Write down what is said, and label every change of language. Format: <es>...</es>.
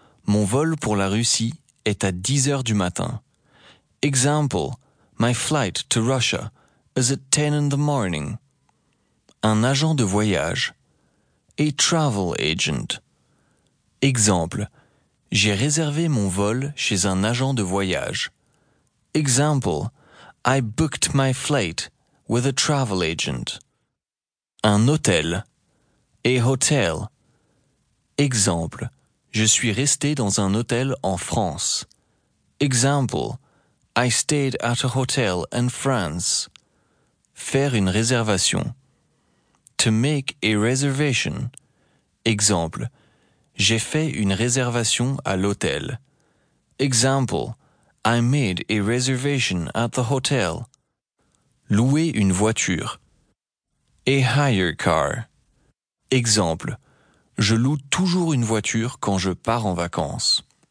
<fr>Mon vol pour la Russie est à 10h du matin.</fr> <en>Example. My flight to Russia is at 10 in the morning.</en> <fr>Un agent de voyage.</fr> <en>A travel agent.</en> <fr>Exemple. J'ai réservé mon vol chez un agent de voyage.</fr> <en>Example. I booked my flight with a travel agent.</en> <fr>Un hôtel.</fr> <en>A hotel.</en> <fr>Exemple. Je suis resté dans un hôtel en France.</fr> <en>Example. I stayed at a hotel in France.</en> <fr>Faire une réservation.</fr> <en>To make a reservation.</en> <fr>Exemple. J'ai fait une réservation à l'hôtel.</fr> <en>Example, I made a reservation at the hotel.</en> <fr>Louer une voiture.</fr> <en>A hire car. Example,</en> <fr>je loue toujours une voiture quand je pars en vacances.</fr>